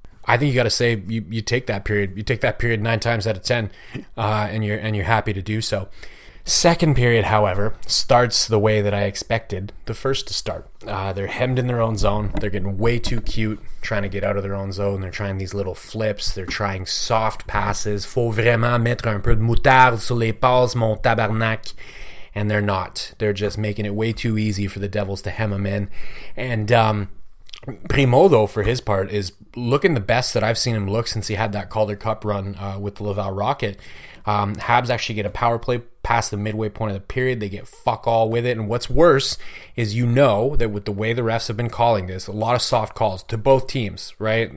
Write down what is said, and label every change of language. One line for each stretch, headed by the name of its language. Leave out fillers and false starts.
English: I think you got to say you take that period. You take that period 9 times out of 10, and you're happy to do so. Second period, however, starts the way that I expected the first to start. They're hemmed in their own zone. They're getting way too cute, trying to get out of their own zone. They're trying these little flips. They're trying soft passes.
French: Faut vraiment mettre un peu de moutarde sur les passes, mon tabarnak.
English: And they're not. They're just making it way too easy for the Devils to hem them in. And Primo, though, for his part, is looking the best that I've seen him look since he had that Calder Cup run with the Laval Rocket. Habs actually get a power play past the midway point of the period. They get fuck all with it. And what's worse is, you know, that with the way the refs have been calling this, a lot of soft calls to both teams, right?